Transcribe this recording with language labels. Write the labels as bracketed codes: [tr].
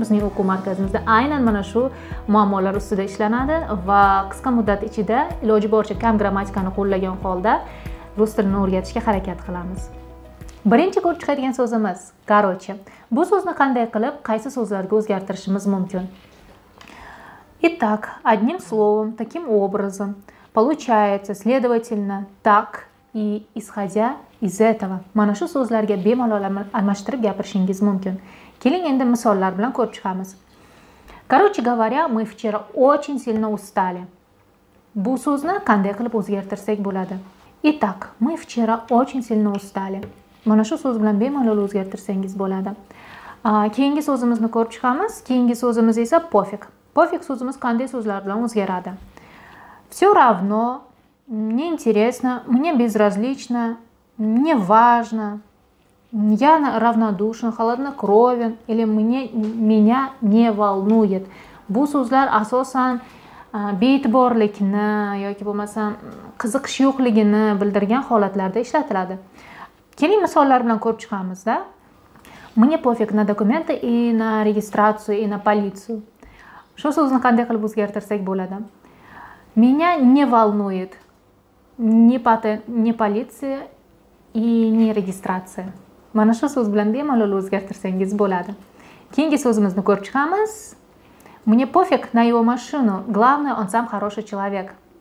[uz] Bizning o'quv markazimizda aynan mana shu muammolar ustida ishlanadi va qisqa muddat ichida iloji boricha kam grammatikani qo'llagan holda rus tilini o'rgatishga harakat qilamiz. Birinchi ko'rib chiqadigan so'zimiz короче. Bu so'zni qanday qilib, qaysi so'zlarga o'zgartirishimiz mumkin? [ru] Итак, одним словом, таким образом, получается, следовательно, так и исходя из этого. [uz] Mana shu so'zlarga bemalol almashtirib gapirishingiz mumkin. Keling endi misollar bilan ko'rib chiqamiz. [ru] Короче говоря, мы вчера очень сильно устали. [uz] Bu so'zni qanday qilib o'zgartirsak bo'ladi? [ru] Итак, мы вчера очень сильно устали. [uz] Mana shu so'z bilan bemalol o'zgartirsangiz bo'ladi. Keyingi so'zimizni ko'rib chiqamiz. Keyingi so'zimiz esa пофиг. Пофиг so'zimiz qanday so'zlar bilan o'zgaradi? [ru] Все равно, мне интересно, мне безразлично, мне важно, я равнодушен, холоднокровен или меня не волнует. [uz] Bu so'zlar asosan bitborlikni yoki bo'lmasa qiziqish yo'qligini bildirgan holatlarda ishlatiladi. Keling misollar bilan ko'rib chiqamiz-da. [ru] Мне пофиг на документы и на регистрацию и на полицию. Что со [uz] qanday qilib o'zgartirsak bo'ladi? [ru] Меня не волнует ни полиция и ни регистрация. [uz] Mana shu so'z bilan bemalol o'zgartirsangiz bo'ladi. Keyingi so'zimizni ko'rib chiqamiz. [ru] Мне пофиг на его машину, главное, он сам хороший человек.